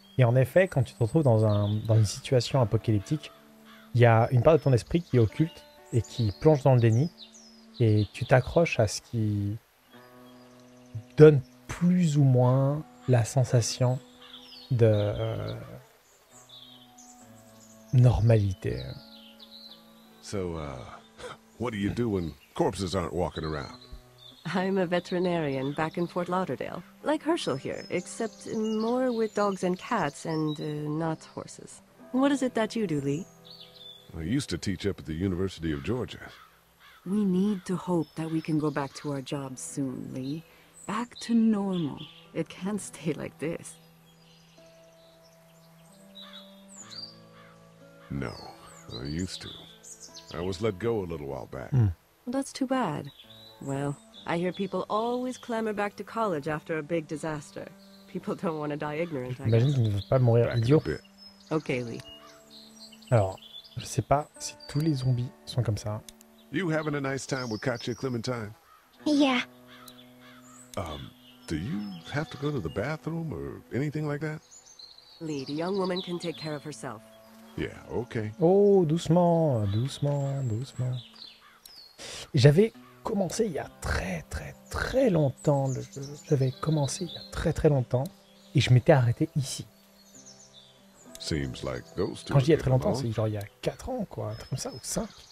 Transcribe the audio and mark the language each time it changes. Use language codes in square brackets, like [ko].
[fr] Et en effet, quand tu te retrouves dans une situation apocalyptique, il y a une part de ton esprit qui est occulte et qui plonge dans le déni. Et tu t'accroches à ce qui donne plus ou moins la sensation de normalité. [en] So, what do you do when corpses aren't walking around? I'm a veterinarian back in Fort Lauderdale, like Herschel here, except more with dogs and cats and not horses. What is it that you do, Lee? I used to teach up at the University of Georgia. We need to hope that we can go back to our jobs soon, Lee. Back to normal. It can't stay like this. No, I used to. I was let go a little while back. Mm. Well, that's too bad. Well, I hear people always clamor back to college after a big disaster. People don't want to die ignorant, I [fr] imagine qu'ils ne veulent pas mourir idiot. [en] Okay, Lee. [fr] Alors, je sais pas si tous les zombies sont comme ça. [en] You having a nice time with Katya Clementine? Yeah. Do you have to go to the bathroom or anything like that? Lee, the young woman can take care of herself. Yeah, okay. [fr] Oh, doucement, doucement, doucement. J'avais commencé il y a très très très longtemps le jeu. J'avais commencé il y a très très longtemps et je m'étais arrêté ici. [en] Seems like those two. [fr] Quand je dis très longtemps, c'est genre il y a 4 ans quoi, un truc comme ça ou 5.